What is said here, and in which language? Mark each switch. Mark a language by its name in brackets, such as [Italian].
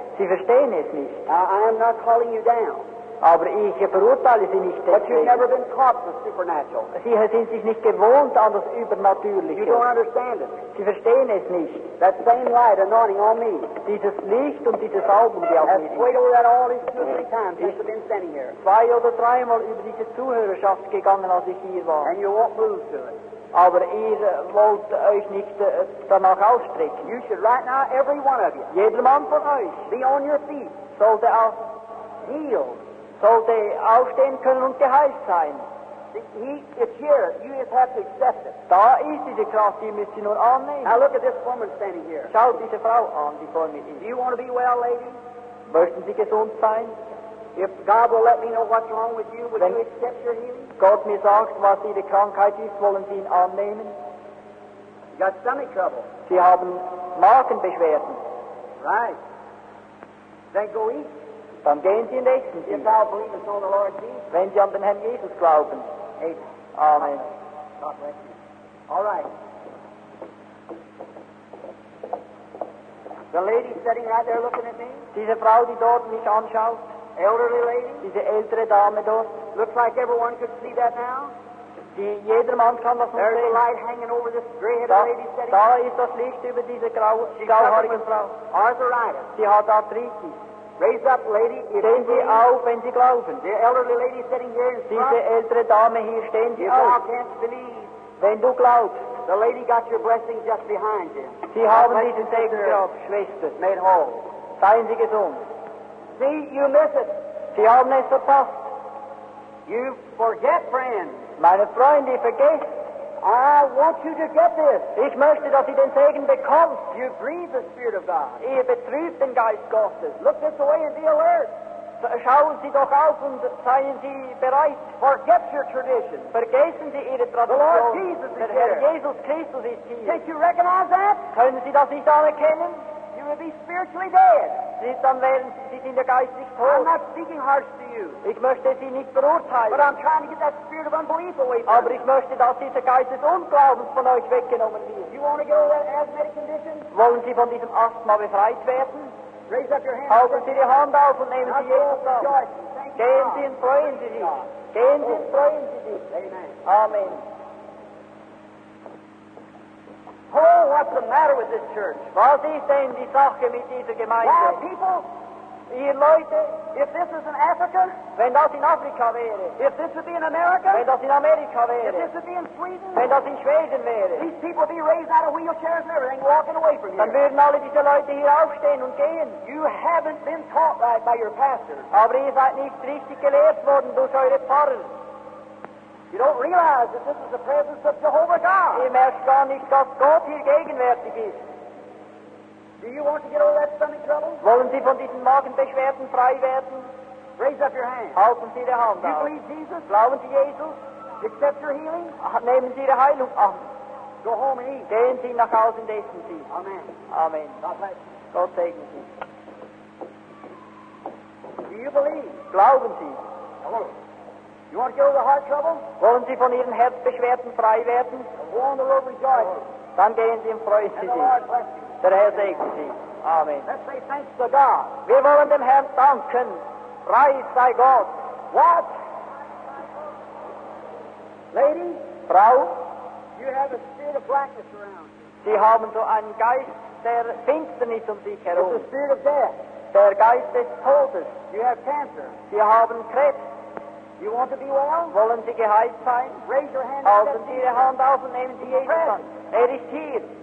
[German] Sie verstehen es nicht. [English] I am not calling you down. [German] Aber ich verurteile Sie nicht deswegen. [English] But you've never been taught the supernatural. [German] Sie sind sich nicht gewohnt an das Übernatürliche. [English] You don't understand it. [German] Sie verstehen es nicht. [English] That same light anointing on me. [German] Dieses Licht und dieses Augen, die auf mir ist. [English] Wait over that all these two or three times since I've been standing here. [German] Zwei oder dreimal über diese Zuhörerschaft gegangen, als ich hier war. [English] And you won't move to it. [German] Aber ihr wollt euch nicht danach ausstrecken. [English] You should right now, every one of you. [German] Jeder Mann von euch. [English] Be on your feet. [German] Sollte auch [English] healed. [German] Sollte aufstehen können und geheilt sein. [English] It's here. You just have to accept it. [German] Da ist diese Kraft, die müsst ihr nur annehmen. [English] Now look at this woman standing here. [German] Schaut diese Frau an, die vor mir ist. [English] Do you want to be well, lady? [German] Möchten Sie gesund sein? [English] If God will let me know what's wrong with you, will you accept your healing? [German] Gott mir sagt, was Ihre Krankheit ist, wollen Sie ihn annehmen? [English] You got stomach trouble. [German] Sie haben Magenbeschwerden. [English] Right. Then go eat. [German] Dann gehen Sie und essen Sie. [English] If thou believest on the Lord Jesus. [German] Wenn Sie an den Herrn Jesus glauben. [English] Amen. [German] Amen. [English] God bless you. All right. The lady sitting right there looking at me. [German] Diese Frau, die dort mich anschaut. [English] Elderly lady. [German] Diese ältere Dame dort. [English] Looks like everyone could see that now. [German] Jedermann kann das sehen. [English] There's a light hanging over this gray-headed lady sitting. [German] Da ist das Licht über diese grauhaarige Frau. [English] Arthritis. [German] Sie hat Arthritis. [English] Raise up, lady. [German] Stehen Sie auf, wenn Sie glauben. [English] The elderly lady sitting here in front. [German] Diese ältere Dame hier, stehen Sie [English] if [German] auf. [English] Thou canst believe. [German] Wenn du glaubst. [English] The lady got your blessing just behind you. [German] Sie haben diesen Segen auf, Schwester. [English] Made whole. [German] Seien Sie gesund. [English] See, you miss it. [German] Sie haben es verpasst. [English] You forget, friend. [German] Meine Freunde, vergesst. [English] I want you to get this. [German] Ich möchte, dass ihr den Segen bekommst. [English] You grieve the Spirit of God. [German] Ihr betrübt den Geist Gottes. [English] Look this way and be alert. [German] Schauen Sie doch auf und seien Sie bereit. [English] Forget your tradition. [German] Vergessen Sie Ihre Tradition. [English] The Lord Jesus is [German] Der [English] here. [German] Herr Jesus Christus ist hier. [English] Can't you recognize that? [German] Können Sie das nicht anerkennen? [English] You will be spiritually dead. [German] Sie dann werden Sie in der geistig tot. [English] I'm not speaking harsh to you. [German] Ich möchte Sie nicht verurteilen. [English] But I'm trying to get that spirit of unbelief away from you. [German] Aber ich möchte, dass dieser Geist des Unglaubens von euch weggenommen wird. [English] You want to get over that asthmatic condition? [German] Wollen Sie von diesem Asthma befreit werden? [English] Raise up your hand. [German] Halten Sie die Hand auf und nehmen Sie Jesus auf. Gehen Sie und freuen Sie sich. Gehen Sie und freuen Sie sich. [English] Amen. [German] Amen. [English] Oh, what's the matter with this church? [German] Was ist denn die Sache mit dieser Gemeinde? [English] Why, people? [German] Ihr Leute? [English] If this is in Africa? [German] Wenn das in Afrika wäre. [English] If this would be in America? [German] Wenn das in Amerika wäre. [English] If this would be in Sweden? [German] Wenn das in Schweden wäre. [English] These people would be raised out of wheelchairs and everything, walking away from here. [German] Dann würden alle diese Leute hier aufstehen und gehen. [English] You haven't been taught right by your pastor. [German] Aber ihr seid nicht richtig gelehrt worden durch eure Pfarrer. [English] You don't realize that this is the presence of Jehovah God. [German] Ihr merkt gar nicht, dass Gott hier gegenwärtig ist. [English] Do you want to get all that stomach trouble? [German] Wollen Sie von diesen Magenbeschwerden frei werden? [English] Raise up your hand. [German] Halten Sie die Hand [English] you [German] auf. [English] You believe Jesus? [German] Glauben Sie Jesus? [English] Accept your healing? [German] Nehmen Sie Ihre Heilung an. [English] Go home and eat. [German] Gehen Sie nach Hause und essen Sie. [English] Amen. [German] Amen. [English] God bless you. [German] Gott segne Sie. [English] Do you believe? [German] Glauben Sie. [English] Hello. You want to get over the heart trouble? [German] Wollen Sie von Ihren Herzbeschwerden frei werden? [English] The Lord rejoices. [German] Dann gehen Sie und freuen Sie sich. Der Herr segne Sie. Amen. [English] Let's say thanks to God. [German] Wir wollen dem Herrn danken. Preis sei Gott. [English] What? Lady? [German] Frau? [English] You have a spirit of blackness around you. [German] Sie haben so einen Geist der Finsternis um sich herum. [English] It's a spirit of death. [German] Der Geist des Todes. [English] You have cancer. [German] Sie haben Krebs. [English] You want to be well? [German] Wollen Sie geheilt sein? [English] Raise your hand. [German] Halten Sie Ihre Hand auf und nehmen Sie Jesus an. Er ist hier.